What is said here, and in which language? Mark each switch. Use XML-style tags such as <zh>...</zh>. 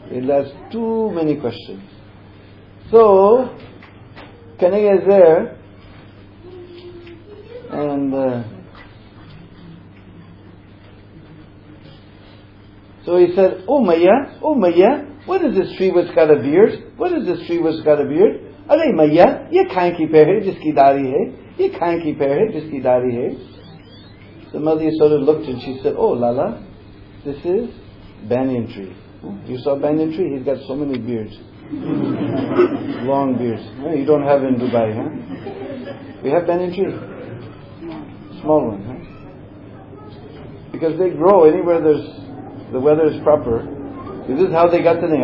<en>They'll ask too many questions. So, Kaniya is there, and so he said, Oh Maya, what is this tree which got a beard? What is this tree which got a beard?</en> <hi>अरे मैया, ये कौन सा पेड़ है जिसकी दाढ़ी है? ये कौन सा पेड़ है जिसकी दाढ़ी है?</hi> <en>So Mother Yasoda looked and she said, oh Lala, this is banyan tree. You saw banyan tree? He's got so many beards. Long beards. No, you don't have in Dubai, huh? We have banyan tree? Small one, huh? Because they grow anywhere there's the weather is proper. This is how they got the name.</en>